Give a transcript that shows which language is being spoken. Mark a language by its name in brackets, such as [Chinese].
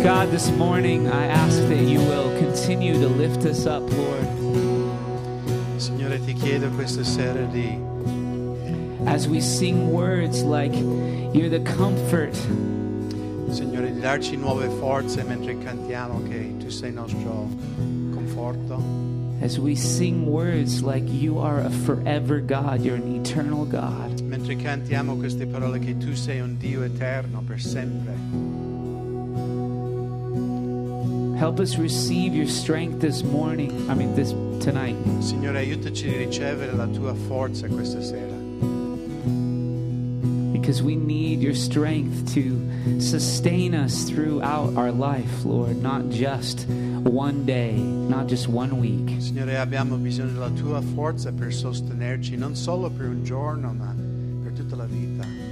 [English] this morning, I ask that you will continue to lift us up, Lord. [Italian] Signore, ti chiedo questa sera di... [English] As we sing words like, "You're the comfort." [Italian] Signore, di darci nuove forze mentre cantiamo che tu sei nostro conforto. [English] As we sing words like, "You are a forever God, you're an eternal God." [Italian] Mentre cantiamo queste parole che tu sei un Dio eterno per sempre. [English] Help us receive your strength this morning. Tonight. [Italian] Signore, aiutaci a ricevere la tua forza questa sera. [English] Because we need your strength to sustain us throughout our life, Lord, not just one day, not just one week. [Italian] Signore, abbiamo bisogno della tua forza per sostenerci, non solo per un giorno, ma per tutta la vita.